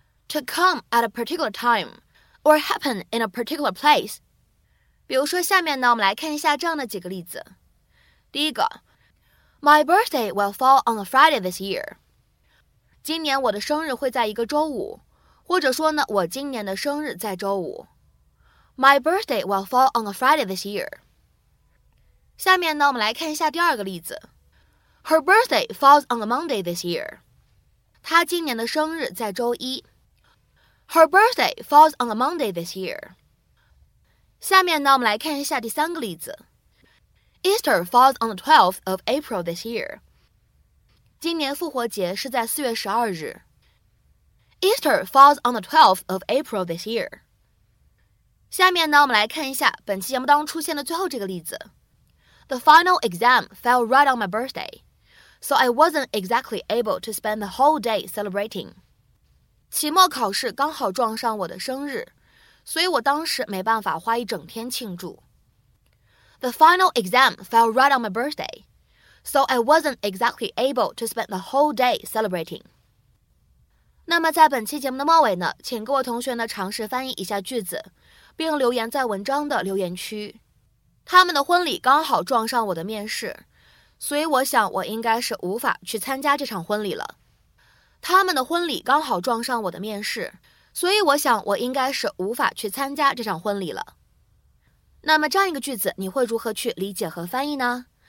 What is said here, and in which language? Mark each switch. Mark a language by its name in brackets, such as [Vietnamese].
[English] To come at a particular time or happen in a particular place. [Chinese] 比如说下面呢，我们来看一下这样的几个例子。第一个， [English] My birthday will fall on a Friday this year. [Chinese] 今年我的生日会在一个周五，或者说呢，我今年的生日在周五。 [English] My birthday will fall on a Friday this year. [Chinese] 下面呢，我们来看一下第二个例子。 [English] Her birthday falls on a Monday this year. [Chinese] 她今年的生日在周一。 [English] Her birthday falls on a Monday this year. [Chinese] 下面呢，我们来看一下第三个例子。 [English] Easter falls on the 12th of April this year. [Chinese] 今年复活节是在四月十二日。 [English] Easter falls on the 12th of April this year. [Chinese] 下面呢，我们来看一下本期节目当中出现的最后这个例子。 [English] The final exam fell right on my birthday, so I wasn't exactly able to spend the whole day celebrating. [Chinese] 期末考试刚好撞上我的生日，所以我当时没办法花一整天庆祝。 [English] The final exam fell right on my birthday, so I wasn't exactly able to spend the whole day celebrating. [Chinese] 那么在本期节目的末尾呢，请各位同学呢尝试翻译一下句子，并留言在文章的留言区。他们的婚礼刚好撞上我的面试，所以我想我应该是无法去参加这场婚礼了。他们的婚礼刚好撞上我的面试，所以我想我应该是无法去参加这场婚礼了。那么这样一个句子，你会如何去理解和翻译呢？